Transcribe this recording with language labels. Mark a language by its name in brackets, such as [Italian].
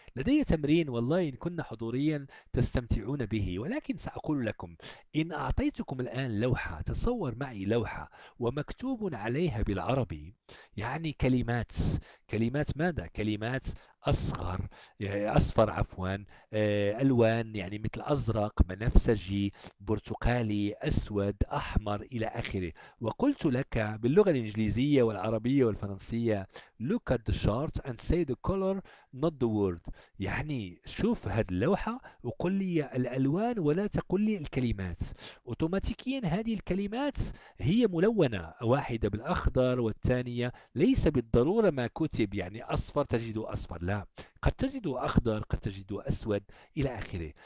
[Arabic] لدي تمرين والله إن كنا حضوريا تستمتعون به، ولكن سأقول لكم، إن أعطيتكم الآن لوحة، تصور معي لوحة ومكتوب عليها بالعربي يعني كلمات، كلمات ماذا؟ كلمات أصغر، أصفر عفوا، ألوان يعني مثل أزرق، بنفسجي، برتقالي، أسود، أحمر إلى آخره. وقلت لك باللغة الإنجليزية والعربية والفرنسية: [English] Look at the chart and say the color, not the word. [Arabic] يعني شوف هذه اللوحة وقل لي الألوان ولا تقل لي الكلمات. أوتوماتيكيا هذه الكلمات هي ملونة، واحدة بالأخضر والثانية ليس بالضرورة ما كتب، يعني أصفر تجده أصفر، لا، قد تجده أخضر، قد تجده أسود إلى آخره.